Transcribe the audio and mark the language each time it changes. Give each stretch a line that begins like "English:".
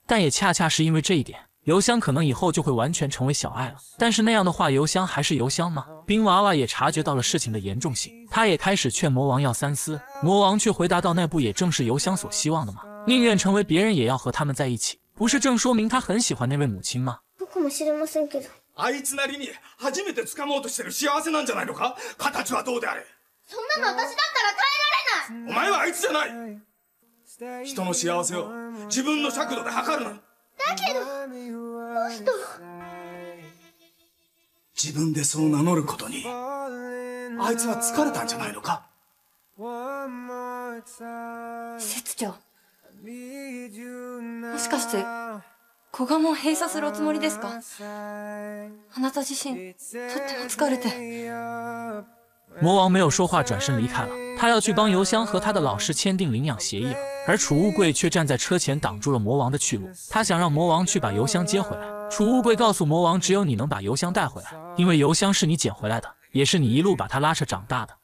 Chinese: 但也恰恰是因为这一点，邮箱可能以后就会完全成为小爱了。但是那样的话，邮箱还是邮箱吗？冰娃娃也察觉到了事情的严重性，他也开始劝魔王要三思。魔王却回答到，那不也正是邮箱所希望的吗？宁愿成为别人也要和他们在一起，不是正说明他很喜欢那位母亲吗？
Japanese: 僕も知りませんけど。あいつなりに初めて掴もうとしてる幸せなんじゃないのか？形はどうであれ。そんなの私だったら耐えられない。お前はあいつじゃない。人の幸せを自分の尺度で測るな。だけど、どうしても自分でそう名乗ることに、あいつは疲れたんじゃないのか？室長、もしかして子がもう閉鎖するおつもりですか？あなた自身とっても疲れて。
Chinese: 魔王没有说话，转身离开了。他要去帮邮箱和他的老师签订领养协议了，而储物柜却站在车前挡住了魔王的去路。他想让魔王去把邮箱接回来。储物柜告诉魔王，只有你能把邮箱带回来，因为邮箱是你捡回来的，也是你一路把他拉扯长大的。